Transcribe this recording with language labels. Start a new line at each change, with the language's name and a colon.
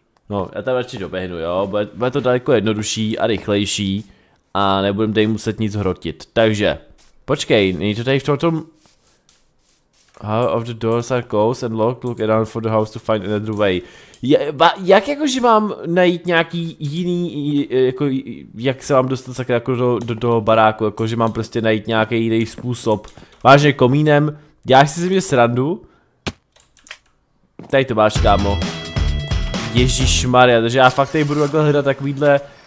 Czech: No, já tam radši doběhnu, jo, bude to daleko jednodušší a rychlejší a nebudem tady muset nic hrotit, takže počkej, není to tady v tomto...
English: How of the doors are closed and locked, look around for the house to find another way.
Czech: Jak jakože mám najít nějaký jiný, jako jak se mám dostat sakra jako do baráku, jakože mám prostě najít nějaký jiný způsob. Vážně komínem, děláš si ze mě srandu? Tady to máš, kámo. Ježíš Maria, takže já fakt tady budu takhle hledat takovýhle